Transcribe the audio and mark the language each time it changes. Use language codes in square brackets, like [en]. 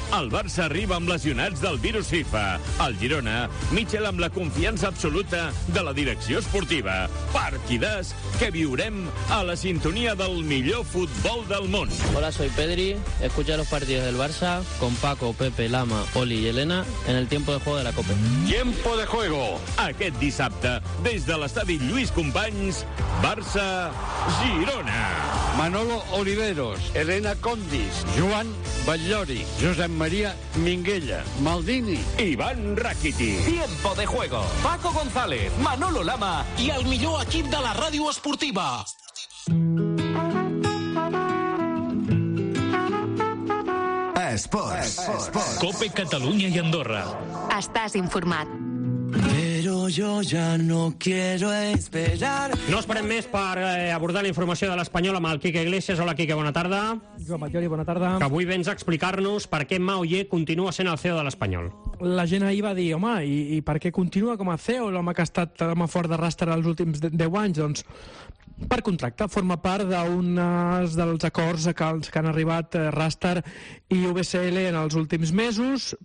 [ca] El Barça arriba amb lesionats del virus FIFA. El Girona, Michel amb la confiança absoluta de la direcció esportiva. Partidàs que viurem a la sintonia del millor futbol del món. [es] Hola, soy Pedri. Escucha los partidos del Barça con Paco, Pepe, Lama, Oli y Elena en el tiempo de juego de la Copa. Tiempo de juego. [ca] Aquest dissabte, des de l'estadi Lluís Companys, Barça-Girona. Manolo Oliveros, Elena Condis, Joan Ballori, Josep María Minguella, Maldini, Iván Rakiti. [es] Tiempo de juego. [ca] Paco González, Manolo Lama y el millor equip de la Ràdio Esportiva. Esports. Esports. COPE Catalunya i Andorra. Estàs informat. [es] Pero yo ya no quiero esperar. [ca] No esperem més per abordar la informació de l'Espanyol amb el Quique Iglesias. Hola, Quique, bona tarda. Joan Matlloli, bona tarda. Que avui vens a explicar-nos per què Mauié continua sent el CEO de l'Espanyol. La gent ahir va dir, home, i per què continua com a CEO l'home que ha estat l'home fort de rastre els últims 10 anys? Doncs per contracte, forma part d'uns dels acords que han arribat Rastar i UBCL en els últims mesos.